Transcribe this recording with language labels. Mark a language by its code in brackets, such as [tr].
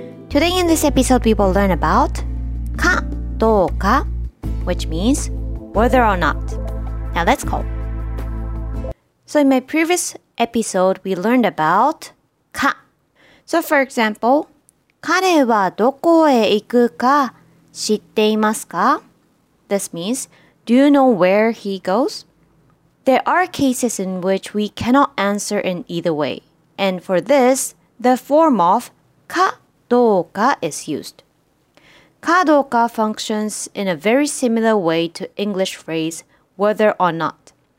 [en] Today in this episode, we will learn about か、どうか, which means whether or not. Now let's go. So in my previous episode, we learned about か. So for example, [ja] 彼はどこへ行くか知っていますか? [en] This means, do you know where he goes? There are cases in which we cannot answer in either way. And for this, the form of かどうか is used. かどうか functions in a very similar way to English phrase whether or not.